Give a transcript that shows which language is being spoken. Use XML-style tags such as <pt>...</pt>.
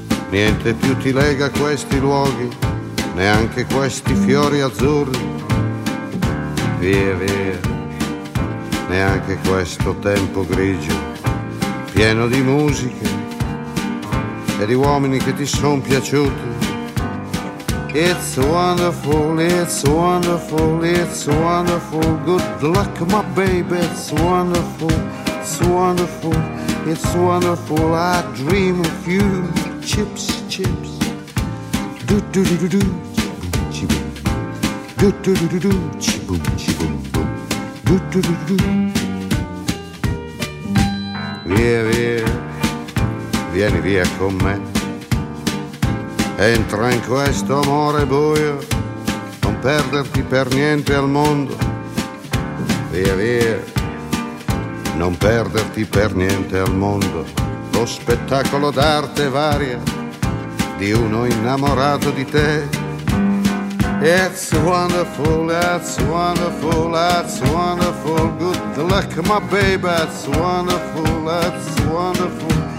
<it>Niente più ti lega a questi luoghi, neanche questi fiori azzurri. Via, via, neanche questo tempo grigio, pieno di musiche e di uomini che ti son piaciuti.</it> <en>It's wonderful, it's wonderful, it's wonderful. Good luck, my baby, it's wonderful. It's wonderful, it's wonderful. I dream of you. Chips, chips. Do do do do do. Chibum chibum. Do do do do do. Chibum chibum boom.</en> <it>Do do do do do. Via via, vieni via con me. Entra in questo amore buio. Non perderti per niente al mondo. Via via. Non perderti per niente al mondo, lo spettacolo d'arte varia di uno innamorato di te.</it> <en>It's wonderful, that's wonderful, that's wonderful. Good luck, my baby, that's wonderful, it's wonderful.</en>